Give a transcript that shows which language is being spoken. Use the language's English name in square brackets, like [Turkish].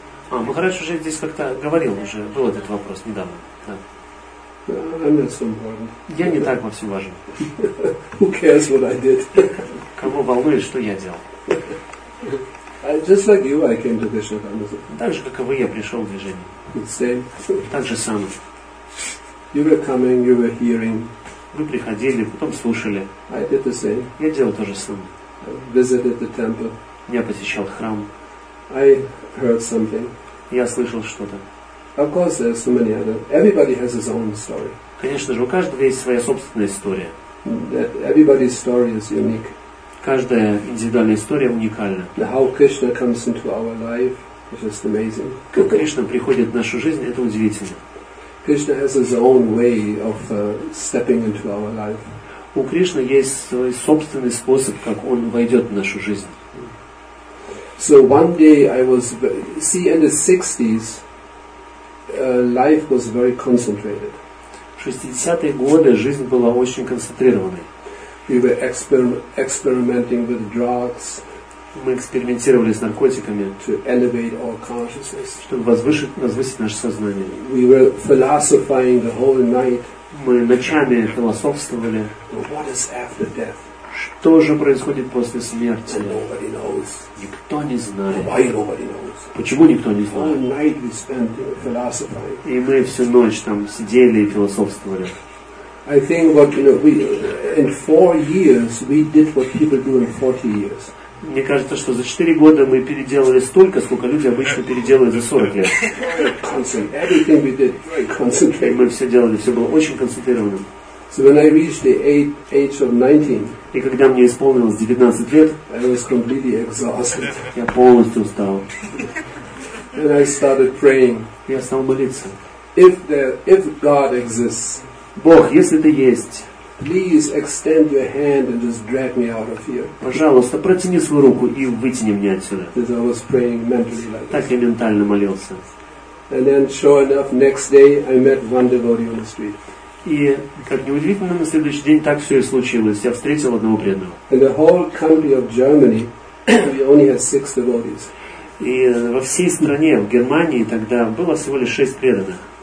[Russian] А, Махарадж уже здесь как-то говорил, уже был этот вопрос недавно. [English] I'm not so important. [Russian] Я не так во всем важен. [English] Who cares what I did? [Russian] Кого волнует, что я делал? [English] I, just like you, I came to Krishna consciousness. [Russian] Так же, как и вы, я пришел в движение. [English] Same. [Russian] Так же сам. [English] You were coming, you were hearing. [Russian] Вы приходили, потом слушали. [English] I did the same. [Russian] Я делал то же самое. [English] I visited the temple. [Russian] Я посещал храм. [English] I heard something. [Russian] Я слышал что-то. [English] Of course, there are so many other. Everybody has his own story. [Russian] Конечно же, у каждого есть своя собственная история. [English] Everybody's story is unique. [Russian] Каждая индивидуальная история уникальна. [English] How Krishna comes into our life is just amazing. [Russian] Как Кришна приходит в нашу жизнь, это удивительно. [English] Krishna has his own way of stepping into our life. [Russian] У Кришны есть свой собственный способ, как он войдет в нашу жизнь. [English] So one day I was in the 60s. Life was very concentrated. [Russian] В 60-е годы жизнь была очень концентрированной. [English] We were experimenting with drugs. [Russian] Мы экспериментировали с наркотиками. [English] To elevate our consciousness. [Russian] Чтобы возвысить наше сознание. [English] We were philosophizing the whole night. [Russian] Мы ночами философствовали. [English] What is after death? [Russian] Что же происходит после смерти? [English] Nobody knows. [Russian] Никто не знает. [English] Why nobody knows? [Russian] Почему никто не знает? [English] All night we spent philosophizing. [Russian] И мы всю ночь там сидели и философствовали. [English] I think what, you know, we in 4 years we did what people do in 40 years. [Russian] Мне кажется, что за 4 года мы переделали столько, сколько люди обычно переделывают за 40 лет. [English] Everything we did very concentrated. [Russian] Мы все делали, все было очень концентрированным. [English] So when I reached the age of 19. [Russian] И когда мне исполнилось 19 лет, [English] I was completely exhausted. [Russian] Я полностью устал. [English] And I started praying. [Russian] Я стал молиться. [English] If God exists, [Russian] Бог, если ты есть, [English] please extend your hand and just drag me out of here. [Russian] Пожалуйста, протяни свою руку и вытяни меня отсюда. [English] As I was praying mentally like [Russian] Так я ментально молился. [English] And then, sure enough, next day I met one devotee on the street. [Russian] И как неудивительно, на следующий день так все и случилось. Я встретил одного преданного. [English] In the whole country of Germany, we only had 6 devotees. [Russian] И во всей стране, в Германии тогда было всего лишь 6 преданных.